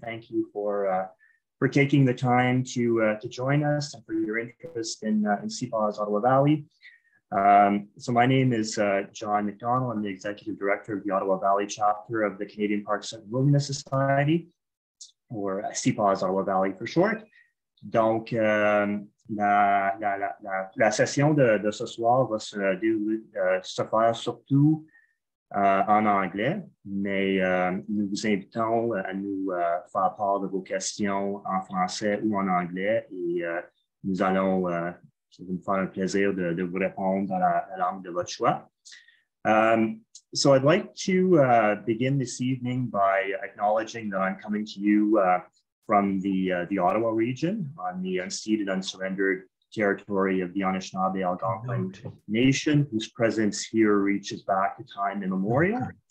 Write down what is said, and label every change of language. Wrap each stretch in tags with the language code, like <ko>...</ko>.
<en>Thank you for taking the time to join us and for your interest in CPAWS Ottawa Valley. So my name is John McDonald. I'm the Executive Director of the Ottawa Valley Chapter of the Canadian Parks and Wilderness Society, or CPAWS Ottawa Valley for short.</en> <fr>Donc, la session de ce soir va se faire surtout en anglais, mais nous vous invitons à nous faire part de vos questions en français ou en anglais et nous allons nous faire un plaisir de vous répondre dans la langue de votre choix.</fr> <en>So I'd like to begin this evening by acknowledging that I'm coming to you from the Ottawa region on the unceded, unsurrendered territory of the Anishinaabe Algonquin Nation, whose presence here reaches back to time immemorial.</en>